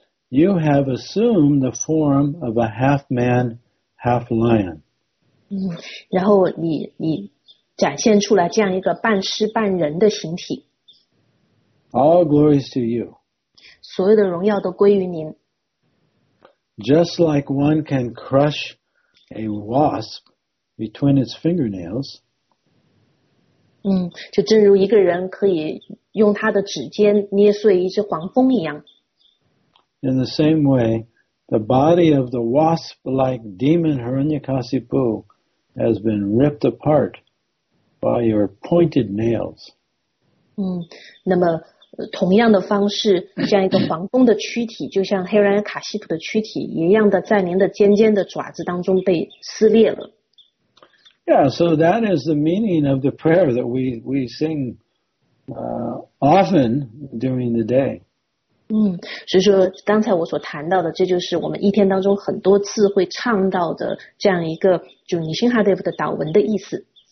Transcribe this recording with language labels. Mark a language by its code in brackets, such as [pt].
[en] You have assumed the form of a half man, half lion. [zh] 然后你展现出来这样一个半狮半人的形体。 [en] All glories to you. [zh] 所有的荣耀都归于您。 [en] Just like one can crush a wasp between its fingernails. [zh] 就正如一个人可以用他的指尖捏碎一只黄蜂一样。 [en] In the same way, the body of the wasp-like demon Hiranyakasipu has been ripped apart by your pointed nails. [zh] 那么同样的方式，像一个黄蜂的躯体，就像黑人卡西普的躯体一样的，在您的尖尖的爪子当中被撕裂了。 [en] Yeah, so that is the meaning of the prayer that we sing often during the day. [zh] 所以说刚才我所谈到的，这就是我们一天当中很多次会唱到的这样一个就尼辛哈德夫的祷文的意思。